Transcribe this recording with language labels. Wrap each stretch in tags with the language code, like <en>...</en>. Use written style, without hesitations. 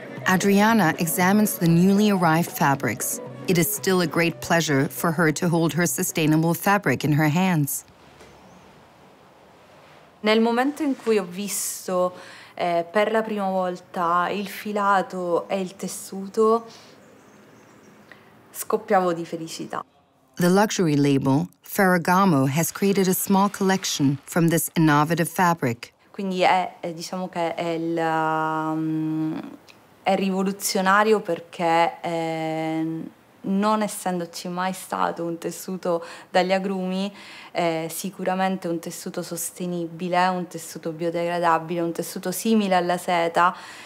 <en>Adriana examines the newly arrived fabrics. It is still a great pleasure for her to hold her sustainable fabric in her hands.</en> <it>Nel momento in cui ho visto per la prima volta il filato e il tessuto, scoppiavo di felicità.</it> <en>The luxury label Ferragamo has created a small collection from this innovative fabric.</en> <it>Quindi è diciamo che è il è rivoluzionario perché non essendoci mai stato un tessuto dagli agrumi, sicuramente un tessuto sostenibile, un tessuto biodegradabile, un tessuto simile alla seta.</it>